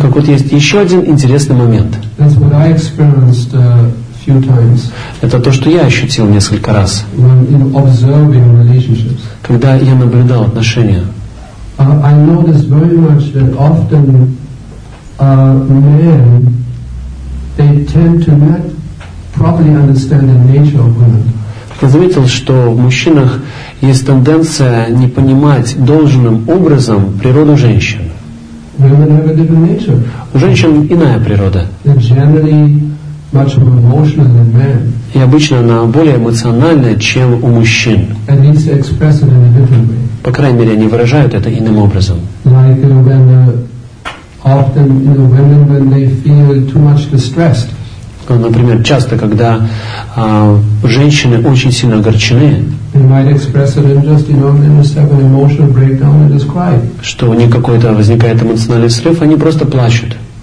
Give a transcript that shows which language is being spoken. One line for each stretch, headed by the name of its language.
Russian: как вот есть еще один интересный момент.
English: That's what I experienced a few times.
Russian: Это то, что я ощутил несколько раз.
English: When, you know, observing relationships.
Russian: Когда я наблюдал отношения.
English: I noticed very much that often men, they tend to not properly understand the nature of women.
Russian: Я заметил, что в мужчинах есть тенденция не понимать должным образом природу женщин.
English: Women have a different nature.
Russian: У женщин иная природа.
English: They're generally much more emotional than men.
Russian: И обычно она более эмоциональна, чем у мужчин.
English: At least they express it in a different way.
Russian: По крайней мере, они выражают это иным образом.
English: Like, you know, when, often, you know, women, when they feel too much distressed.
Russian: Например, часто, когда женщины очень сильно огорчены, что у них какой-то возникает эмоциональный срыв, они просто плачут.